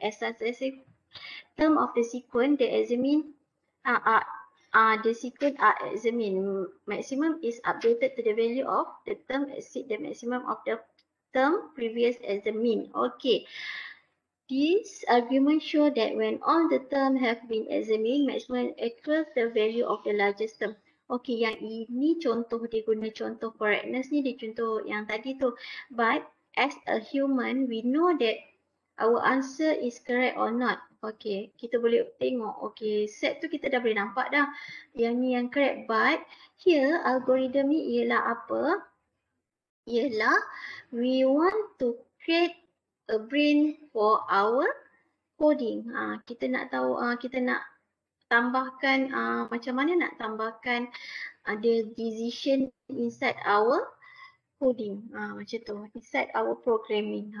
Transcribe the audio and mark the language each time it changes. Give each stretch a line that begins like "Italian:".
English: As successive term of the sequence, the examine the sequence are examined. Maximum is updated to the value of the term exceed the maximum of the term previous examined. Okay, this argument show that when all the term have been examined, maximum equals the value of the largest term.
Malay: Okay, yang ini contoh, dia guna contoh correctness ni, dia contoh yang tadi tu.
English: But as a human, we know that our answer is correct or not.
Malay: Okay, kita boleh tengok. Okay, set tu kita dah boleh nampak dah. Yang ni yang correct.
English: But here,
Malay: algorithm ni ialah apa? Ialah
English: we want to create a brain for our coding.
Malay: Kita nak tahu, kita nak tambahkan macam mana nak tambahkan ada decision
English: inside our coding,
Malay: macam tu,
English: inside our programming.